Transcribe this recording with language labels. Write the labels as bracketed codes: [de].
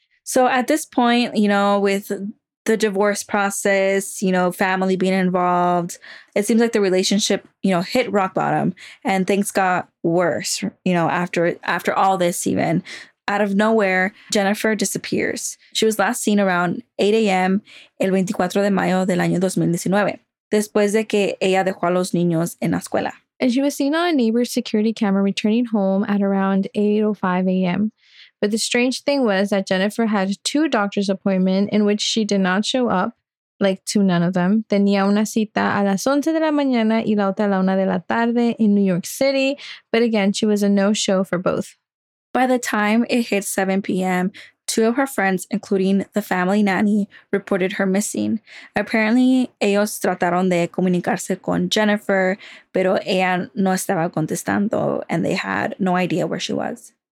[en] So at this point, you know, with the divorce process, you know, family being involved, it seems like the relationship, you know, hit rock bottom and things got worse, you know, after all this. Even out of nowhere, Jennifer disappears. She was last seen around 8 a.m. [es] el 24 de mayo del año 2019, después de que ella dejó a los niños en la escuela. [en] And she was seen on a neighbor's security camera returning home at around 8:05 a.m. But the strange thing was that Jennifer had two doctor's appointments in which she did not show up, like to none of them. [es] Tenía una cita a las 11 de la mañana y la otra a la 1 de la tarde [en] in New York City. But again, she was a no-show for both. By the time it hit 7 p.m., two of her friends, including the family nanny, reported her missing. Apparently, [es] ellos trataron de comunicarse con Jennifer, pero ella no estaba contestando [en] and they had no idea where she was.